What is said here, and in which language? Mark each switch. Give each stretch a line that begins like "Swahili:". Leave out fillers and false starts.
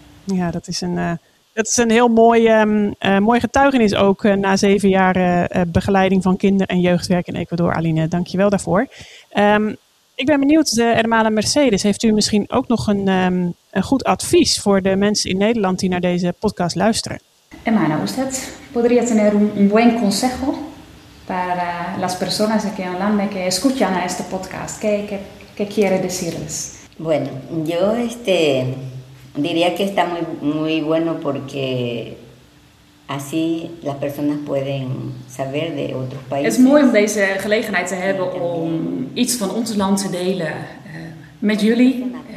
Dutch: Ja, dat is een heel mooi getuigenis ook. Na 7 jaar begeleiding van kinder- en jeugdwerk in Ecuador. Aline, dank je wel daarvoor. Ik ben benieuwd, Hermana Mercedes, heeft u misschien ook nog een goed advies voor de mensen in Nederland die naar deze podcast luisteren?
Spanish: Hermana, usted podría tener un buen consejo para las personas aquí en Holanda que escuchan a este podcast. ¿Qué quiere decirles? Bueno, yo diría que está muy, muy bueno porque así las personas pueden saber de otros países.
Dutch: Het is mooi om deze gelegenheid te hebben om iets van ons land te delen met jullie.